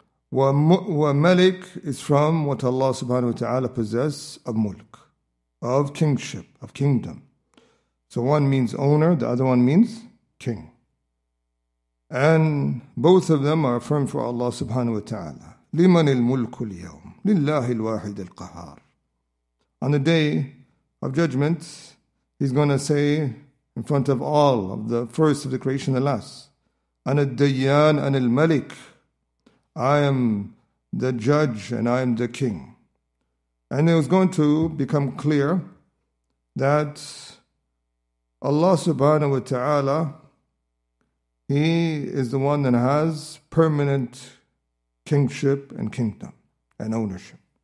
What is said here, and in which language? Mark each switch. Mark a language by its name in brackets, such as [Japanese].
[English] Wa Malik is from what Allah subhanahu wa ta'ala possess of mulk, of kingship, of kingdom. So one means owner, the other one means king. And both of them are affirmed for Allah subhanahu wa ta'ala. [Arabic] لمن الملك اليوم لله الواحد القهار. [English] On the day of judgment, he's going to say in front of all of the first of the creation, the last, [Arabic] أنا الديان أنا الملك. [English] I am the judge and I am the king. And it was going to become clear that Allah subhanahu wa ta'ala, He is the one that has permanent kingship and kingdom and ownership.